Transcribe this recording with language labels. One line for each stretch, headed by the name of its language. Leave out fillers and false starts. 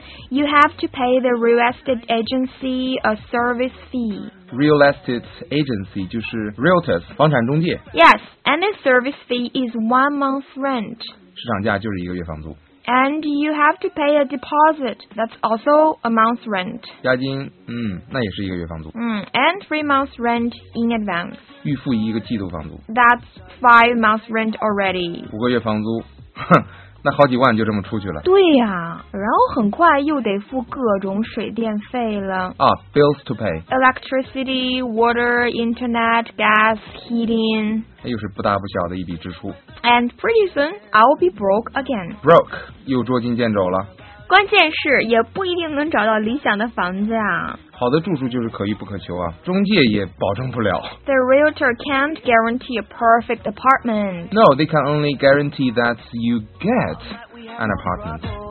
English: You have to pay the real estate agency a service fee.
Chinese: Real estate agency 就是 realtors, 房产中介。
English: Yes, and the service fee is 1 month rent.
Chinese: 市场价就是一个月房租。
English: And you have to pay a deposit. That's also 1 month rent.
Chinese: 押金，那也是一个月房租。
English: And 3 months rent in advance.
Chinese: 预付一个季度房租。
English: That's 5 months rent already.
Chinese: 五个月房租，哼，那好几万就这么出去了。对呀，然后很快又得付各种水电费了。
English: bills to pay. Electricity, water, internet, gas, heating.
Chinese: 那又是不大不小的一笔支出。
English: And pretty soon, I'll be broke again.
Chinese: Broke, 又捉襟见肘了。关键是也不一定能找到理想的房子呀。好的住处就是可遇不可求啊，中介也保证不了。
English: The realtor can't guarantee a perfect apartment. No, they can only guarantee that you get an apartment.